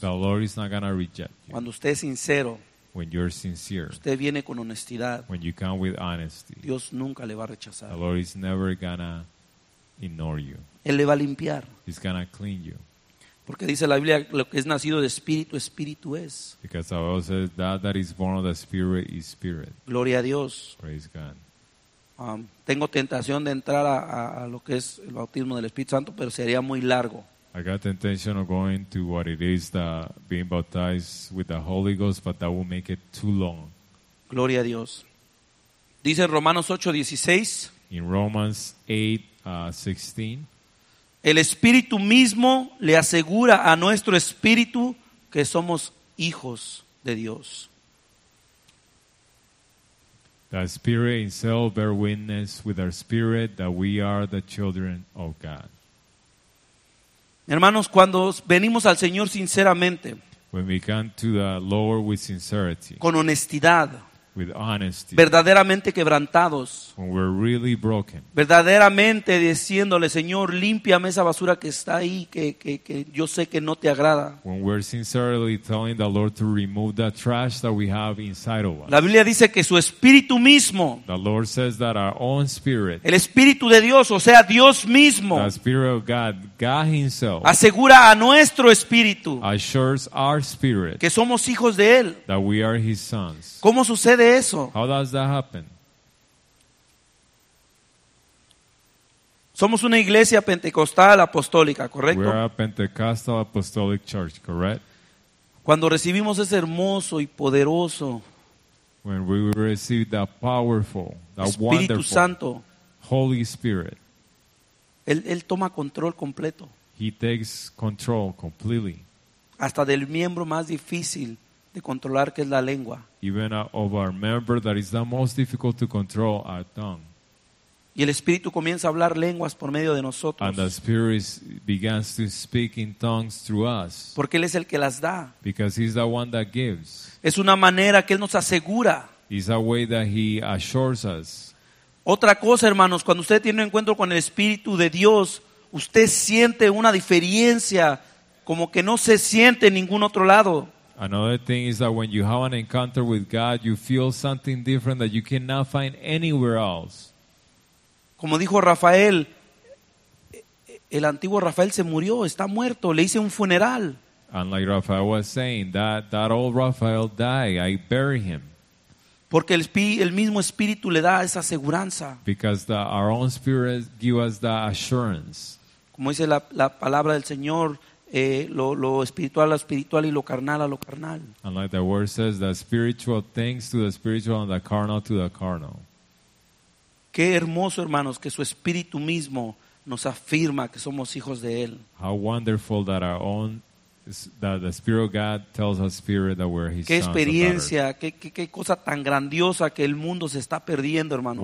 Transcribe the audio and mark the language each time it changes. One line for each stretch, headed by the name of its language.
English: The Lord is not going to reject you.
Spanish: Cuando usted es sincero,
English: when you're sincere,
Spanish: usted viene con honestidad,
English: when you come with honesty,
Spanish: Dios nunca le va a rechazar.
English: The Lord is never going to ignore you.
Spanish: Él le va a limpiar.
English: He's going to clean you.
Spanish: Porque dice la Biblia, lo que es nacido de espíritu, espíritu es.
English: Because the Bible says that is born of the spirit is spirit.
Spanish: Gloria a Dios.
English: Praise God.
Spanish: Tengo tentación de entrar a lo que es el bautismo del Espíritu Santo, pero sería muy largo.
English: I got the intention of going to what it is, the being baptized with the Holy Ghost, but that will make it too long.
Spanish: Gloria a Dios. Dice en Romanos 8:16.
English: In Romans 8:16.
Spanish: El Espíritu mismo le asegura a nuestro espíritu que somos hijos de Dios.
English: The Spirit himself bear witness with our spirit that we are the children of God.
Spanish: Hermanos, cuando venimos al Señor sinceramente,
English: when we come to the Lord with sincerity,
Spanish: con honestidad,
English: with honesty,
Spanish: verdaderamente quebrantados,
English: when we're really broken,
Spanish: verdaderamente diciéndole, Señor, límpiame esa basura que está ahí, que yo sé que no te agrada.
English: When we're sincerely telling the Lord to remove that trash that we have inside of us.
Spanish: La Biblia dice que su espíritu mismo,
English: the Lord says that our own spirit,
Spanish: el espíritu de Dios, o sea, Dios mismo,
English: the spirit of God, God himself,
Spanish: asegura a nuestro espíritu,
English: assures our spirit,
Spanish: que somos hijos de él,
English: that we are his sons.
Spanish: ¿Cómo sucede eso?
English: How does that happen?
Spanish: Somos una iglesia pentecostal apostólica, ¿correcto?
English: We are a Pentecostal Apostolic Church, correct?
Spanish: Cuando recibimos ese hermoso y poderoso,
English: when we receive that powerful, that
Spanish: Espíritu
English: wonderful,
Spanish: Santo,
English: Holy Spirit,
Spanish: él toma control completo.
English: He takes control completely.
Spanish: Hasta del miembro más difícil de controlar, que es la lengua.
English: Even of our member that is the most difficult to control, our tongue.
Spanish: Y el Espíritu comienza a hablar lenguas por medio de nosotros.
English: And the Spirit begins to speak in tongues through us.
Spanish: Porque Él es el que las da.
English: Because He's the one that gives.
Spanish: Es una manera que Él nos asegura.
English: It's a way that He assures us.
Spanish: Otra cosa, hermanos, cuando usted tiene un encuentro con el Espíritu de Dios, usted siente una diferencia como que no se siente en ningún otro lado.
English: Another thing is that when you have an encounter with God, you feel something different that you cannot find anywhere else.
Spanish: Como dijo Rafael, el antiguo Rafael se murió, está muerto, le hice un funeral.
English: And like Rafael was saying, that old Rafael died, I bury him.
Spanish: Porque el mismo Espíritu le da esa aseguranza.
English: Because our own spirit gives us that assurance.
Spanish: Como dice la palabra del Señor, lo espiritual a lo espiritual y lo carnal a lo carnal.
English: And like the word says, the spiritual things to the spiritual and the carnal to the carnal.
Spanish: Qué hermoso, hermanos, que su espíritu mismo nos afirma que somos hijos de él.
English: How wonderful that our own, that the Spirit of God tells our spirit that we're His sons.
Spanish: Qué experiencia, qué cosa tan grandiosa que el mundo se está perdiendo, hermanos.